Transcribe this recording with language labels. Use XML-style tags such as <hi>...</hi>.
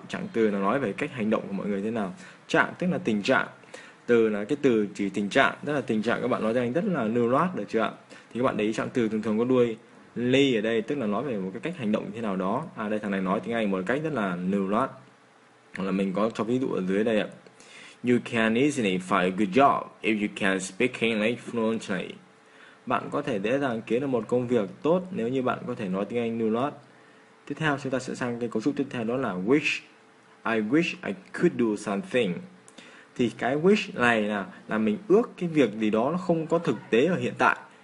<vi>Chẳng từ là nói về cách hành động của mọi người thế nào. Trạng tức là tình trạng, từ là cái từ chỉ tình trạng, tức là tình trạng các bạn nói tiếng Anh rất là lưu loát, được chưa ạ? Thì các bạn để ý trạng từ thường thường có đuôi ly ở đây, tức là nói về một cái cách hành động như thế nào đó. À đây, thằng này nói tiếng Anh một cách rất là lưu loát. Là mình có cho ví dụ ở dưới đây ạ.</vi> <en>You can easily find a good job if you can speak English fluently.</en> <vi>Bạn có thể dễ dàng kiếm được một công việc tốt nếu như bạn có thể nói tiếng Anh lưu loát. Tiếp theo chúng ta sẽ sang cái cấu trúc tiếp theo, đó là wish.</vi> <en>I wish I could do something.</en> <vi>Thì cái wish này là mình ước cái việc gì đó nó không có thực tế ở hiện tại.</vi>